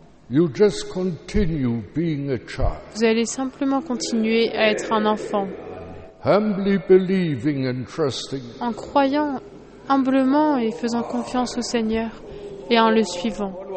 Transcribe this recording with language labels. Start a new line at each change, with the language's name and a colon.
English: You just continue being a child.
French: Vous allez simplement continuer à être un enfant.
English: Humbly believing and trusting.
French: En croyant humblement et faisant confiance au Seigneur et en le suivant.